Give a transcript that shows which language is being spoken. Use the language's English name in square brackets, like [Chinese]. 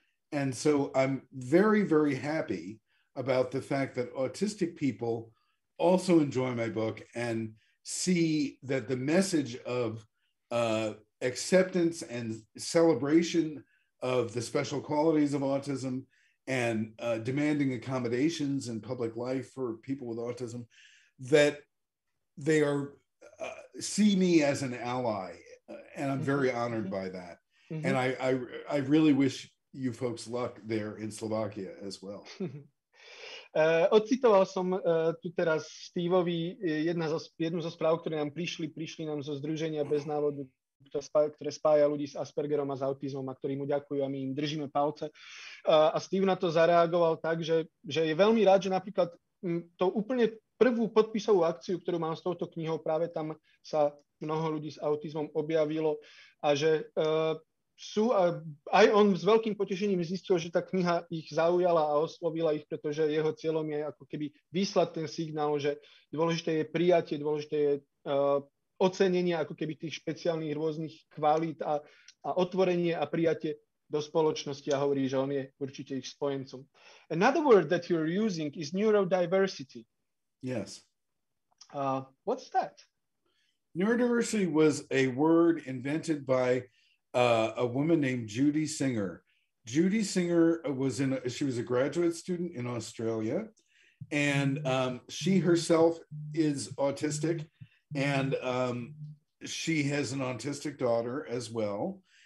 [English] And so I'm very, very happy about the fact that autistic people also enjoy my book and see that the message of acceptance and celebration of the special qualities of autism and demanding accommodations in public life for people with autism, that they are see me as an ally. And I'm very honored by that. Mm-hmm. And I really wish you folks luck there in Slovakia as well. [Slovak] Ocitoval som tu teraz Steve-ovi jednu zo správ, ktoré nám prišli nám zo Združenia Bez návodu, ktoré spája ľudí s Aspergerom a s autizmom a ktorí mu ďakujú a my im držíme palce. A Steve na to zareagoval tak, že je veľmi rád, že napríklad to úplne prvú podpisovú akciu, ktorú mám s touto knihou, práve tam sa mnoho ľudí s autizmom objavilo a že sú, a aj on s veľkým potešením zistil, že tá kniha ich zaujala a oslovila ich, pretože jeho cieľom je ako keby vyslať ten signál, že dôležité je prijatie, dôležité je ocenenie ako keby tých špeciálnych rôznych kvalít a otvorenie a prijatie do spoločnosti a hovorí, že on je určite ich spojencom. [English] Another word that you're using is neurodiversity. Yes. What's that? Neurodiversity was a word invented by a woman named Judy Singer. Judy Singer was in a, she was a graduate student in Australia, and she herself is autistic, and she has an autistic daughter as well.